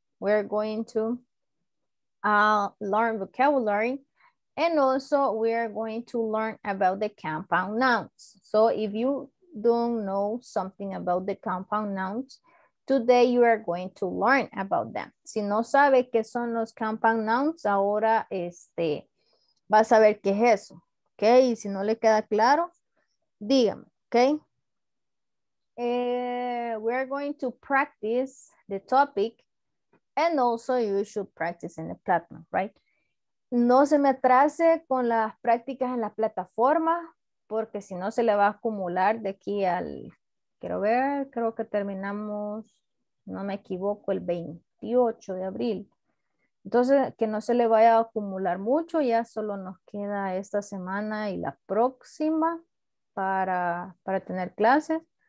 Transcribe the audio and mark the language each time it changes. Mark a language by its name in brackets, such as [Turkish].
[English] We're going to learn vocabulary, and also we are going to learn about the compound nouns. So if you don't know something about the compound nouns, today you are going to learn about them. [Spanish] Si no sabe qué son los compound nouns, ahora va a saber qué es eso. Ok, y si no le queda claro, dígame, ok. [English] We are going to practice the topic, and also you should practice in the platform, right? [Spanish] No se me atrase con las prácticas en la plataforma, porque si no se le va a acumular de aquí al, quiero ver, creo que terminamos, no me equivoco, el 28 de abril. Entonces, que no se le vaya a acumular mucho, ya solo nos queda esta semana y la próxima para tener clases.